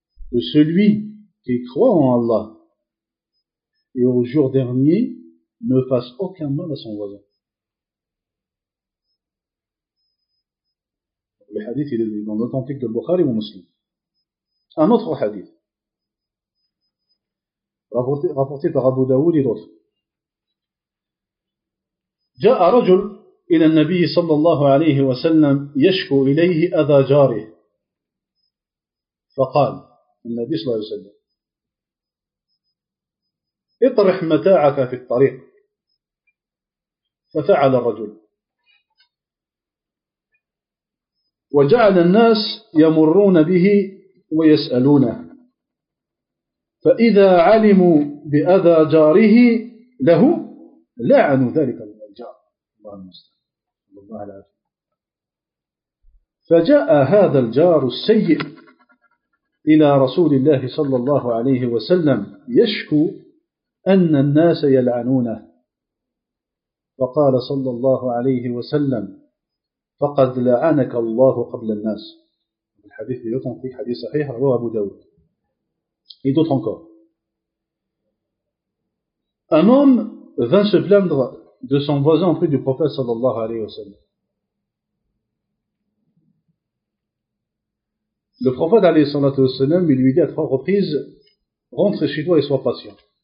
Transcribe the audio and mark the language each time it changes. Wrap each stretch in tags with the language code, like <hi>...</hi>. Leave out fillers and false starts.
<fr>Que celui qui croit en Allah et au jour dernier ne fasse aucun mal à son voisin. Le hadith, il est dans l'authentique de Bukhari ou Muslim. Un autre hadith, rapporté par Abu Dawud et d'autres.</fr> <ar>جاء رجل إلى النبي صلى الله عليه وسلم يشكو إليه أذى جاره فقال النبي صلى الله عليه وسلم اطرح متاعك في الطريق ففعل الرجل وجعل الناس يمرون به ويسألونه فإذا علموا بأذى جاره له لعنوا ذلك الجار الله المستعان الله العافية فجاء هذا الجار السيء إلى رسول الله صلى الله عليه وسلم يشكو أن الناس يلعنونه فقال صلى الله عليه وسلم فقد لعنك الله قبل الناس الحديث يطن في حديث صحيح رواه أبو داود يطن encore.</ar> <fr>Un homme vint se plaindre de son voisin auprès du prophète sallallahu alayhi wa sallam. Le prophète alayhi sallallahu alayhi wa sallam, il lui dit à trois reprises, rentre chez toi et sois patient.</fr>